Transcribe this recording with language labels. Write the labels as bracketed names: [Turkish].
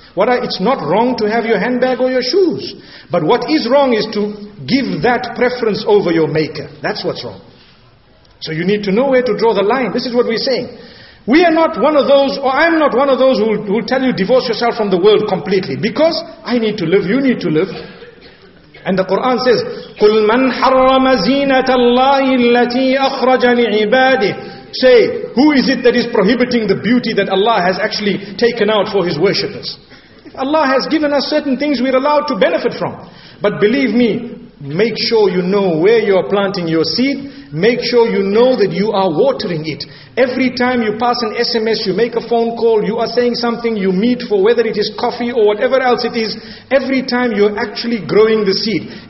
[English] It's not wrong to have your handbag or your shoes. But what is wrong is to give that preference over your maker. That's what's wrong. So you need to know where to draw the line. This is what we're saying. We are not one of those, or I'm not one of those who will tell you divorce yourself from the world completely. Because I need to live, you need to live. And the Quran says, [Arabic] قُلْ مَنْ حَرَّمَ زِينَةَ اللَّهِ الَّتِي أَخْرَجَ لِعِبَادِهِ. [English] Say, who is it that is prohibiting the beauty that Allah has actually taken out for His worshippers? Allah has given us certain things we're allowed to benefit from. But believe me, make sure you know where you're planting your seed. Make sure you know that you are watering it. Every time you pass an SMS, you make a phone call, you are saying something, you meet for whether it is coffee or whatever else it is, every time you're actually growing the seed.